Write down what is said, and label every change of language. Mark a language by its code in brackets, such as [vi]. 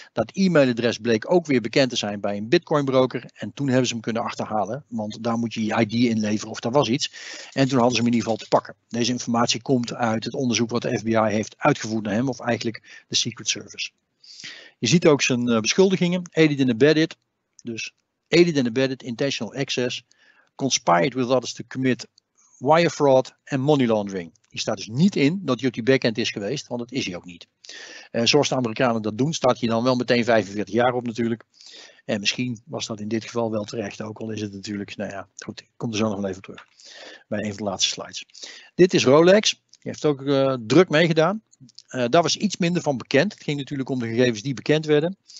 [nl] Dat e-mailadres bleek ook weer bekend te zijn bij een bitcoinbroker. En toen hebben ze hem kunnen achterhalen. Want daar moet je je ID inleveren of dat was iets. En toen hadden ze hem in ieder geval te pakken. Deze informatie komt uit het onderzoek wat de FBI heeft uitgevoerd naar hem. Of eigenlijk de Secret Service. Je ziet ook zijn beschuldigingen. [en] Aided and abetted. [nl] Dus [en] aided and abetted, intentional access. Conspired with others to commit wire fraud en money laundering. [nl] Die staat dus niet in dat hij op die backend is geweest, want dat is hij ook niet. Zoals de Amerikanen dat doen, staat hij dan wel meteen 45 jaar op natuurlijk. En misschien was dat in dit geval wel terecht, ook al is het natuurlijk, nou ja, goed, ik kom er zo nog wel even terug bij een van de laatste slides. Dit is Rolex, die heeft ook druk meegedaan. Daar was iets minder van bekend, het ging natuurlijk om de gegevens die bekend werden.